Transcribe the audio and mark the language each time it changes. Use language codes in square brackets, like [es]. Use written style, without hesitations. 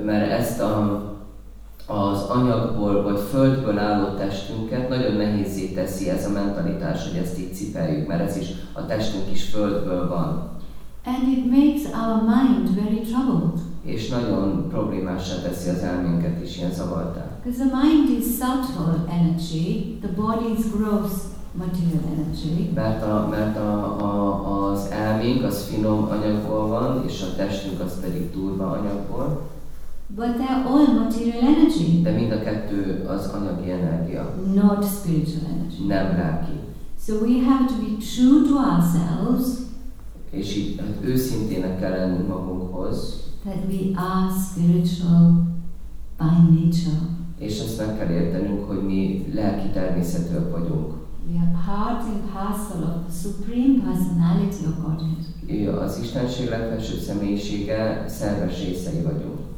[hu] Mert ezt az anyagból vagy földből álló testünket nagyon nehézé teszi ez a mentalitás, hogy ezt így cipeljük, mert ez is a testünk is földből van. [en] And it makes our mind very troubled. [hu] És nagyon problémásra teszi az elménket is ilyen zavartá. [en] Because the mind is subtle energy, the body is gross material energy. [hu] Mert az elménk az finom anyagból van, és a testünk az pedig durva anyagból. [en] But they are all material energy. [hu] De mind a kettő az anyagi energia. [en] Not spiritual energy. [hu] Nem lelki. [en] So we have to be true to ourselves. [hu] És így őszintének kell lenni magunkhoz. [en] That we are spiritual by nature. [hu] És azt meg kell értenünk, hogy mi lelki természetűek vagyunk. [en] We are part and parcel of the Supreme Personality of Godhead. [hu] Az Istenség legfelsőbb személyisége, szerves részei vagyunk.